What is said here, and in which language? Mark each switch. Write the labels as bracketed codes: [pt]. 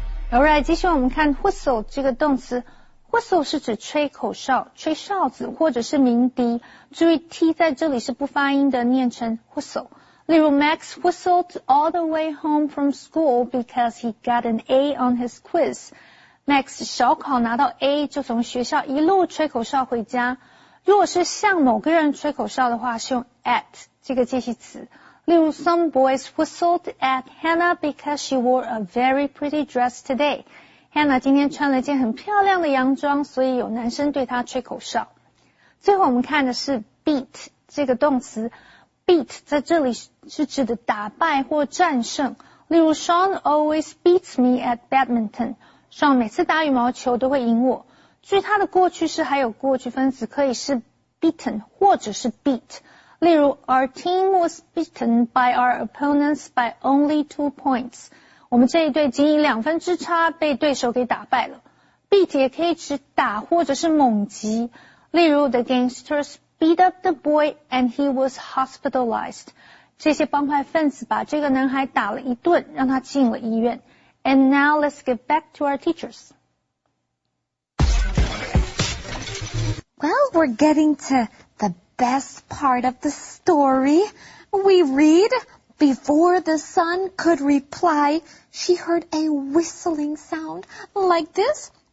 [zh] Alright, 接下来我们看 whistle 这个动词。Whistle 是指吹口哨、吹哨子或者是鸣笛。注意 T 在这里是不发音的，念成 whistle。例如 [en] Max whistled all the way home from school because he got an A on his quiz. [zh] Max 小考拿到 A 就从学校一路吹口哨回家。如果是向某个人吹口哨的话，是用 at 这个介系词。例如 [en] Some boys whistled at Hannah because she wore a very pretty dress today. [zh] Hannah 今天穿了一件很漂亮的洋装，所以有男生对她吹口哨。最后我们看的是 beat 这个动词。Beat 在这里是指的打败或战胜。例如 [en] Sean always beats me at badminton. [zh] Sean 每次打羽毛球都会赢我。据他的过去式还有过去分词可以是 beaten 或者是 beat。例如 [en] Our team was beaten by our opponents by only 2 points. [zh] 我们这一队仅以两分之差被对手给打败了。 Beat 也可以指打或者是猛击。例如 [en] The gangsters beat up the boy and he was hospitalized. [zh] 这些帮派分子把这个男孩打了一顿，让他进了医院。 [en] And now let's get back to our teachers. Well, we're getting to the best part of the story. We read, before the sun could reply, she heard a whistling sound like this.